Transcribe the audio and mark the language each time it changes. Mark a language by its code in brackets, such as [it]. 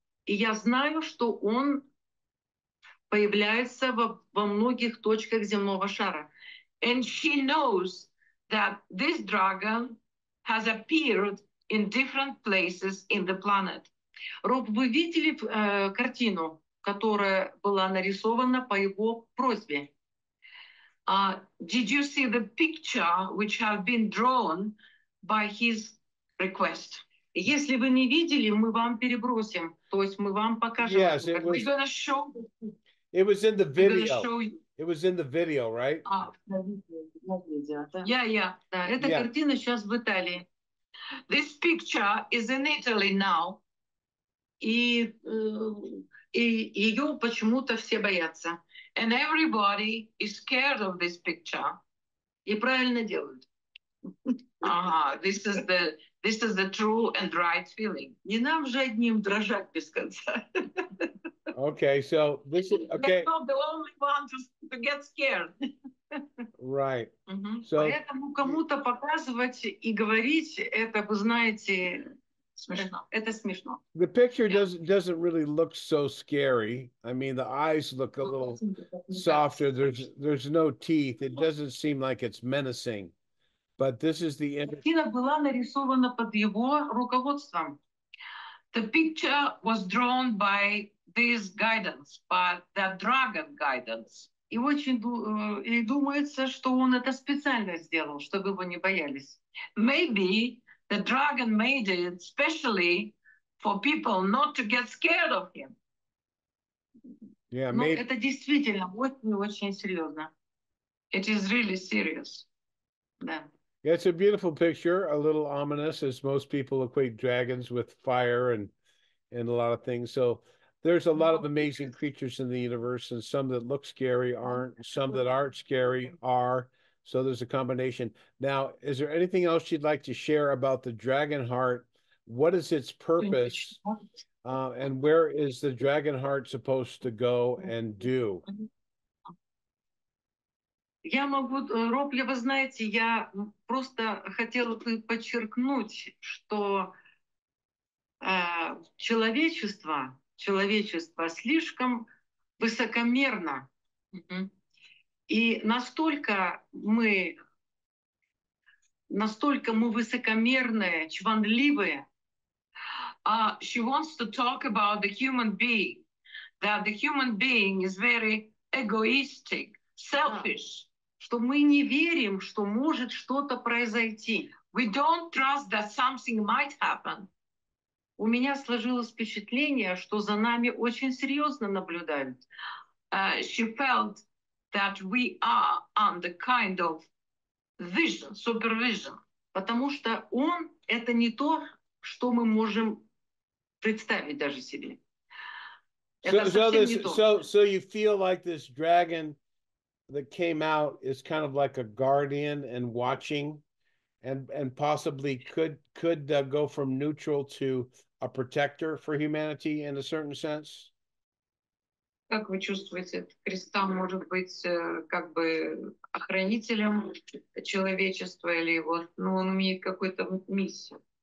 [ru] И я знаю, что он появляется во многих точках земного шара. [en] And she knows that this dragon has appeared in different places in the planet. [ru] Роб, вы видели картину, которая была нарисована по его просьбе? [en] Did you see the picture which have been drawn by his request? [ru] Если вы не видели, мы вам перебросим. То есть мы вам покажем. [en] Yes, it was, we're gonna show. It was in the video. It was in the video, right? Yeah. [ru] Эта картина сейчас в Италии. [en] This picture is in Italy now. [ru] И ее почему-то все боятся. [en] And everybody is scared of this picture. [ru] И правильно делают. [en] Ага, this is the true and right feeling. [ru] Не нам же одним дрожать без конца. [en] Okay, so this is okay. You're not the only one to get scared. Right. Mm-hmm. [ru] So, поэтому кому-то показывать и говорить это, вы знаете, смешно. Это смешно. [en] The picture doesn't really look so scary. I mean, the eyes look a little softer. There's no teeth. It doesn't seem like it's menacing. But this is the The picture was drawn by this guidance, by the dragon guidance. [ru] И очень и думается, что он это специально сделал, чтобы его не боялись. [en] Maybe the dragon made it specially for people not to get scared of him. Yeah, maybe. [ru] Это действительно очень-очень серьезно. [en] It is really serious. Да. It's a beautiful picture, a little ominous, as most people equate dragons with fire and a lot of things. So there's a lot of amazing creatures in the universe, and some that look scary aren't. Some that aren't scary are. So there's a combination. Now, is there anything else you'd like to share about the Dragonheart? What is its purpose? And where is the Dragonheart supposed to go and do? [ru] Я могу, Роб, я, вы знаете, я просто хотела бы подчеркнуть, что человечество слишком высокомерно. И настолько мы высокомерные, чванливые. [en] She wants to talk about the human being, that the human being is very egoistic, selfish. [ru] Что мы не верим, что может что-то произойти. [en] We don't trust that something might happen. [ru] У меня сложилось впечатление, что за нами очень серьезно наблюдают. [en] She felt that we are under kind of vision, supervision. [ru] Потому что он — это не то, что мы можем представить даже себе. [en] So you feel like this dragon that came out is kind of like a guardian and watching and possibly could go from neutral to a protector for humanity in a certain sense. [ru] Как вы чувствуете, Христа может быть как бы охранителем человечества или его, но он имеет какую-то миссию.